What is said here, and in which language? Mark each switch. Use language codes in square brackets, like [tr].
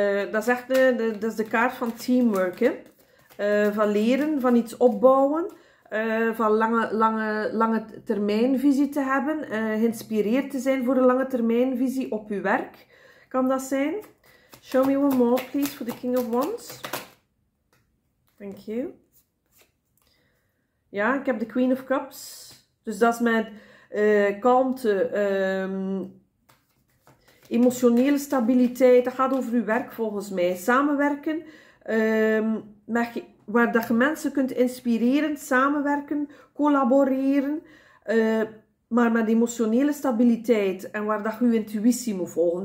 [nl] Dat is echt dat is de kaart van teamwork. Hè? Van leren, van iets opbouwen. Van lange termijnvisie te hebben, geïnspireerd te zijn voor een lange termijnvisie op je werk, kan dat zijn. [en] Show me one more, please, for the King of Wands. Thank you. [nl] Ja, ik heb de Queen of Cups. Dus dat is met kalmte, emotionele stabiliteit. Dat gaat over uw werk, volgens mij. Samenwerken met... Waar dat je mensen kunt inspireren, samenwerken, collaboreren, maar met emotionele stabiliteit en waar dat je intuïtie moet volgen.